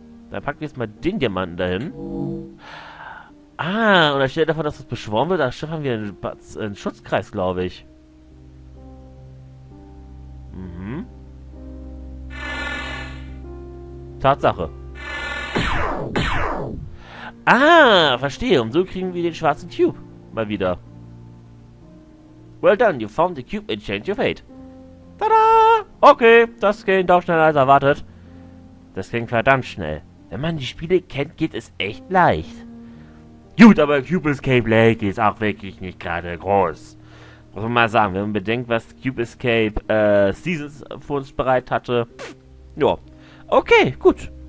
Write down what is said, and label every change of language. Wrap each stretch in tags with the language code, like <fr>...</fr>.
<de>Dann packen wir jetzt mal den Diamanten dahin. Ah, und anstelle davon, dass das beschworen wird, da schaffen wir einen Schutzkreis, glaube ich. Mhm. Tatsache. Ah, verstehe. Und so kriegen wir den schwarzen Cube. Mal wieder.</de> <en>Well done, you found the cube and changed your fate.</en> <de>Tada! Okay, das ging doch schneller als erwartet. Das ging verdammt schnell. Wenn man die Spiele kennt, geht es echt leicht. Gut, aber Cube Escape Lake ist auch wirklich nicht gerade groß. Muss man mal sagen, wenn man bedenkt, was Cube Escape Seasons für uns bereit hatte. Ja. Okay, gut.</de>